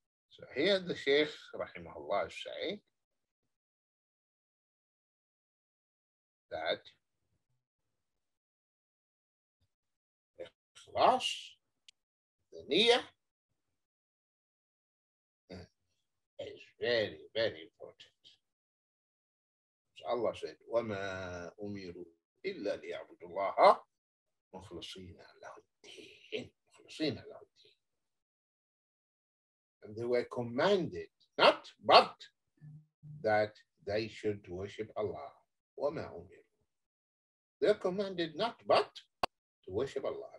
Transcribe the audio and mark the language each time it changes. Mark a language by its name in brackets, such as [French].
[English] So here the Shaykh, rahimahullah, is saying that ikhlas, the niyyah, is very, very important. So Allah said, [Arabic] وَمَا أُمِرُوا إِلَّا لِيَعْبُدُ اللَّهَ مُخْلَصِينَ لَهُ الدِّينَ مُخْلَصِينَ لَهُ الدِّينَ. [English] And they were commanded, not but, that they should worship Allah. [Arabic] وَمَا أُمِرُوا. [English] They are commanded not but to worship Allah.